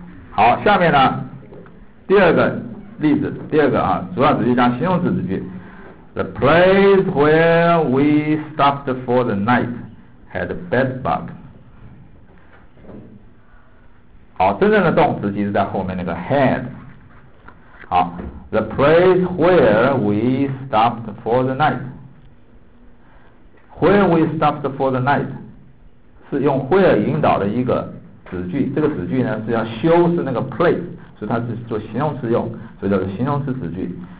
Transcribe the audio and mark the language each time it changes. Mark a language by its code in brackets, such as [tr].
[zh] 好，下面呢第二个例子，第二个啊主要子句加形容词子句。 [en] The place where we stopped for the night had a bed bug。 [zh] 好，真正的动词其实在后面那个 had。好， [en] The place where we stopped for the nightWhere we stopped for the night [zh] 是用 where 引导的一个子句，这个子句呢是要修饰那个 place， 所以它是做形容词用，所以叫做形容词子句。